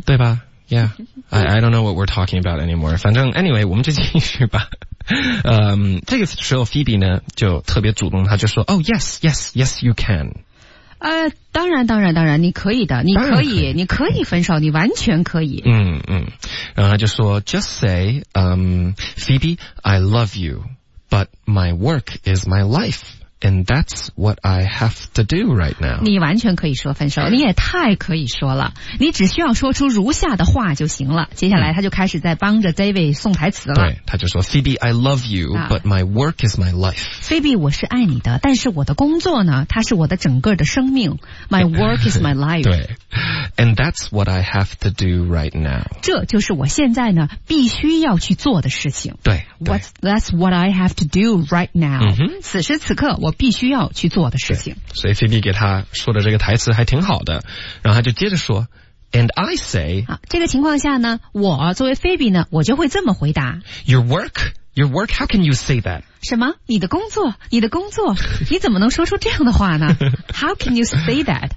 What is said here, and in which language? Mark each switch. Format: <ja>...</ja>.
<zh>对吧</zh> <en>Yeah, I don't know what we're talking about anymore</en> <zh>反正</zh> <en>anyway</en> <zh>我们就继续吧、这个时候 Phoebe 呢就特别主动他就说</zh> <en>Oh yes yes yes you can</en> <zh>当然当然当然你可以的你可 以, 可以你可以分手、嗯、你完全可以嗯嗯然后他就说</zh> <en>Just say Phoebe I love youBut my work is my life, and that's what I have to do right now.</en> <zh>你完全可以说分手，你也太可以说了。你只需要说出如下的话就行了。接下来他就开始在帮着 David 送台词了。对，他就说</zh> <en>，Phoebe, I love you,、啊、but my work is my life.</en> <zh>Phoebe, 我是爱你的，但是我的工作呢，它是我的整个的生命。</zh> <en>My work is my life.</en> <zh>对</zh> <en>，and that's what I have to do right now.</en> <zh>这就是我现在呢必须要去做的事情。对。</zh> <en>That's what I have to do right now、 mm-hmm.</en> <zh>此时此刻我必须要去做的事情所以 Phoebe 给他说的这个台词还挺好的然后他就接着说</zh> <en>And I say、</en> <zh>啊、这个情况下呢我作为 Phoebe 呢我就会这么回答</zh> <en>Your work, how can you say that?</en> <zh>什么？你的工作？你的工作？你怎么能说出这样的话呢？</zh> <en>How can you say that?</en>